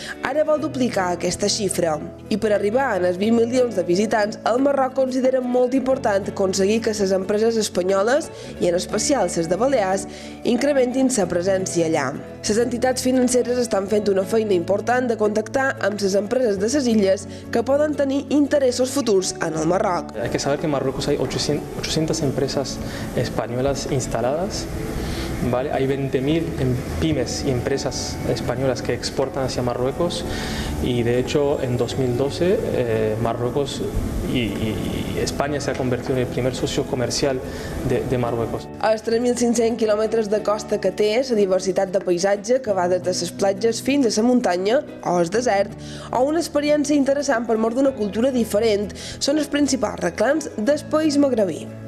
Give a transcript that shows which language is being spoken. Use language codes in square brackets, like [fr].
[ca] Ara vol duplicar aquesta xifra. I per arribar en els 20 milions de visitants, el Marroc considera molt important aconseguir que les empreses espanyoles, i en especial les de Balears, incrementin la presència allà. Les entitats financeres estan fent una feina important de contactar amb les empreses de les illes que poden tenir interessos futurs en el Marroc. [es] Hay que saber que en Marruecos hay 800 empresas españolas instaladas, ¿vale? Hay 20.000 pymes y empresas españolas que exportan hacia Marruecos y de hecho en 2012 Marruecos y España se ha convertido en el primer socio comercial de Marruecos. [ca] Els 3.500 quilòmetres de costa que té, la diversitat de paisatge que va des de les platges fins a la muntanya o el desert, o una experiència interessant per mort d'una cultura diferent, són els principals reclams del país magrebí.